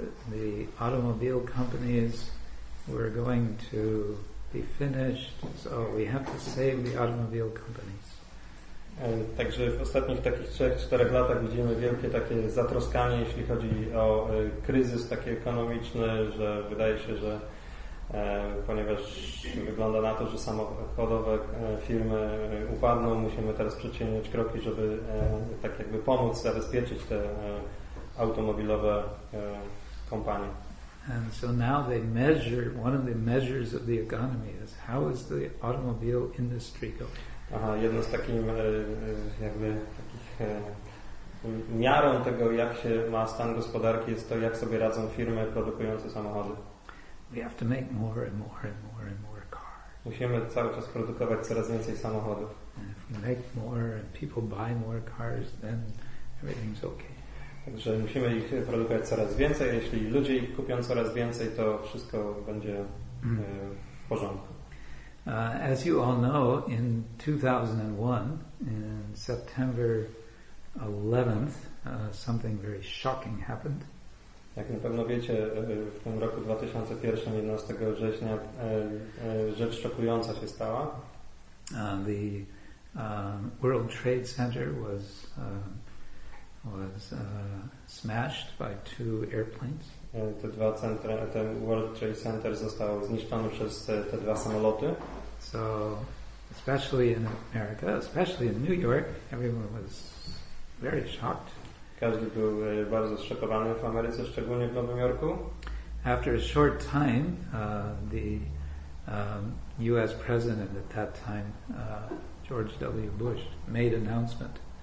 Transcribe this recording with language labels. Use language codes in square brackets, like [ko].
[en] The automobile companies were going to be finished. So we have to save the automobile companies. [pl] Także w ostatnich takich 3-4 latach widzimy wielkie takie zatroskanie, jeśli chodzi o kryzys taki ekonomiczny, że wydaje się, że ponieważ wygląda na to, że samochodowe firmy upadną, musimy teraz przedsięwziąć kroki, żeby tak jakby pomóc zabezpieczyć te automobilowe kompanie. [en] And so now they measure, one of the measures of the economy is how is the automobile industry going? [pl] Aha, jedno z takim jakby takich miarą tego, jak się ma stan gospodarki, jest to, jak sobie radzą firmy produkujące samochody. [en] We have to make more and more and more and more cars. [pl] Musimy cały czas produkować coraz więcej samochodów. [en] If we make more and people buy more cars, then everything's okay. [pl] Także musimy ich produkować coraz więcej. Jeśli ludzie ich kupią coraz więcej, to wszystko będzie w porządku. [en] As you all know, in 2001, in September 11th, something very shocking happened. [pl] Jak na pewno wiecie, w tym roku 2001, 11 września, rzecz szokująca się stała. [en] The World Trade Center was smashed by 2 airplanes. [pl] Ten World Trade Center został zniszczony przez te 2 samoloty. [en] So, especially in America, especially in New York, everyone was very shocked. [pl] Każdy był bardzo zszokowany w Ameryce, szczególnie w Nowym Jorku. [en] After a short time, US president at that time, George W. Bush, made announcement.